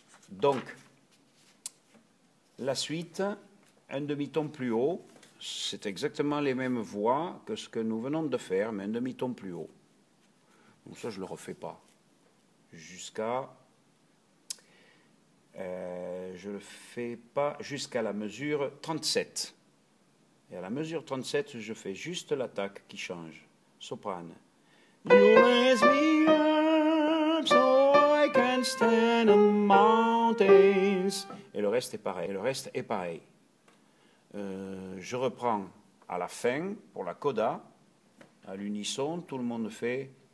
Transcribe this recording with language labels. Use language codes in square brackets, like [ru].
[fr] Donc, la suite, un demi-ton plus haut, c'est exactement les mêmes voix que ce que nous venons de faire, mais un demi-ton plus haut. Donc ça, je ne le refais pas. Jusqu'à... je ne le fais pas jusqu'à la mesure 37. Et à la mesure 37, je fais juste l'attaque qui change. Soprane. [en] You raise me up so I can stand on mountains. [fr] Et le reste est pareil. Je reprends à la fin pour la coda. À l'unisson, tout le monde fait.